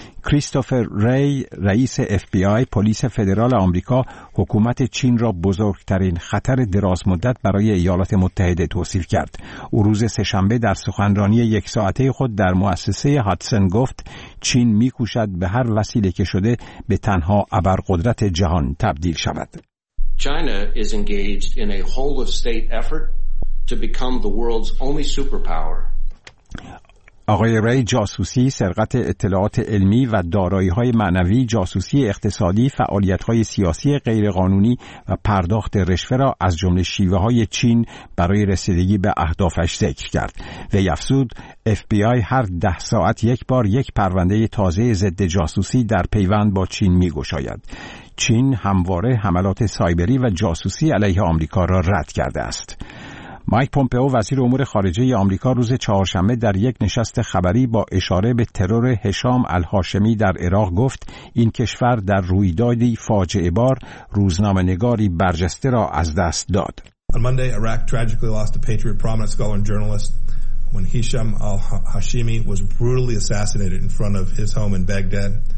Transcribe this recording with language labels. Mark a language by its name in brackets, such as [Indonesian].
[Persian] کریستوفر ری رئیس FBI پلیس فدرال آمریکا حکومت چین را بزرگترین خطر درازمدت برای ایالات متحده توصیف کرد. او روز سه‌شنبه در سخنرانی یک ساعته خود در مؤسسه هاتسن گفت چین می‌کوشد به هر وسیله که شده به تنها ابرقدرت جهان تبدیل شود. [English] China is engaged in a whole of state effort to become the world's only superpower. [Persian] آقای ری جاسوسی، سرقت اطلاعات علمی و دارایی‌های معنوی، جاسوسی اقتصادی، فعالیت‌های سیاسی غیرقانونی و پرداخت رشوه را از جمله شیوه‌های چین برای رسیدگی به اهدافش ذکر کرد. وی افزود FBI هر 10 ساعت یک بار یک پرونده تازه ضد جاسوسی در پیوند با چین می‌گشاید. چین همواره حملات سایبری و جاسوسی علیه آمریکا را رد کرده است. مایک پومپئو وزیر امور خارجه آمریکا روز چهارشنبه در یک نشست خبری با اشاره به ترور هشام الهاشمی در عراق گفت این کشور در رویدادی فاجعه بار روزنامه نگاری برجسته را از دست داد. [English] On Monday, Iraq tragically lost a patriot, prominent scholar and journalist when Hisham al-Hashimi was brutally assassinated in front of his home in Baghdad.